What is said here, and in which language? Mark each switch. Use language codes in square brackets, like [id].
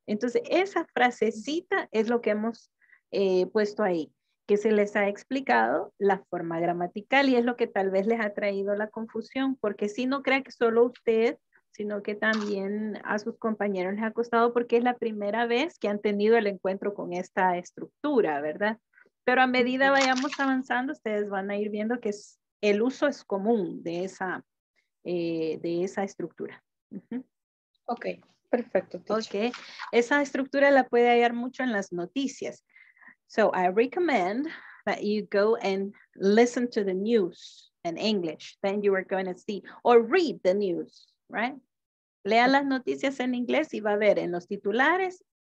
[es] Entonces, esa frasecita es lo que hemos puesto ahí, que se les ha explicado la forma gramatical y es lo que tal vez les ha traído la confusión, porque si no crea que solo usted, sino que también a sus compañeros les ha costado porque es la primera vez que han tenido el encuentro con esta estructura, ¿verdad? Pero a medida vayamos avanzando, ustedes van a ir viendo que es, el uso es común de esa estructura. Uh-huh. Ok, perfecto. Ok, esa estructura la puede hallar mucho en las noticias. [en] So I recommend that you go and listen to the news in English. Then you are going to see or read the news, right? [es] Lea las noticias en inglés y va a ver en los titulares.